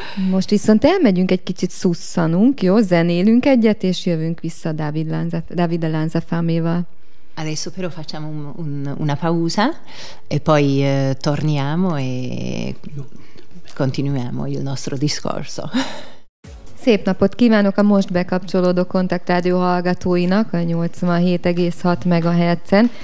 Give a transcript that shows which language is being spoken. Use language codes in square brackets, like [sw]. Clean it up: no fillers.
[hu] Most viszont elmegyünk egy kicsit szusszanunk, jó? Zenélünk egyet, és jövünk vissza Davide Lanza Famival. [it] Adesso però facciamo una pausa e poi torniamo e continuiamo il nostro discorso. [hu] Szép napot kívánok a most bekapcsolódó Kontaktrádió hallgatóinak, a 87,6 MHz-en.